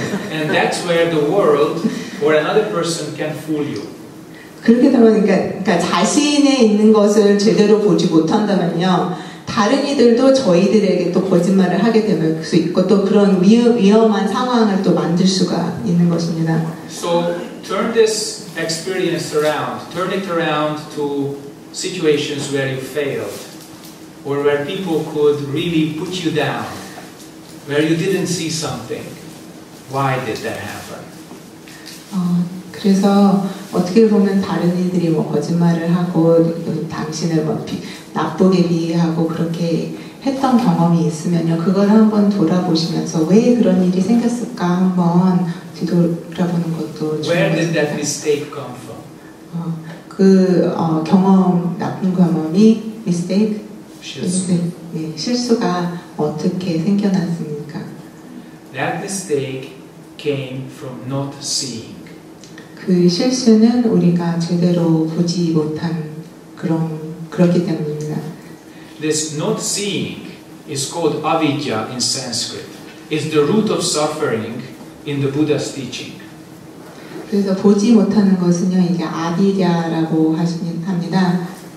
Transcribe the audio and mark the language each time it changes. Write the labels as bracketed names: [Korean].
[English] And that's where the world or another person can fool you. [Korean] 그렇게 되면 그러니까 자신에 있는 것을 제대로 보지 못한다면요. 다른 이들도 저희들에게 또 거짓말을 하게 될 수 있고 또 그런 위험한 상황을 또 만들 수가 있는 것입니다. [English] So turn this experience around. Turn it around to situations where you failed or where people could really put you down. Where you didn't see something. Why did that happen? [Korean] 그래서 어떻게 보면 다른 이들이 뭐 거짓말을 하고 당신을 뭐 나쁘게 비하고 그렇게 했던 경험이 있으면요 그걸 한번 돌아보시면서 왜 그런 일이 생겼을까 한번 뒤돌아보는 것도 중요합니다. [English] Where did that mistake come from? [Korean] 나쁜 경험이 mistake 실수가 어떻게 생겨났습니까? [English] That mistake came from not seeing. [Korean] 그 실수는 우리가 제대로 보지 못한 그렇기 때문입니다. [English] This not seeing is called avidya in Sanskrit. It's the root of suffering in the Buddha's teaching. [Korean] 그래서 보지 못하는 것은요, 이게 아비디아라고 합니다.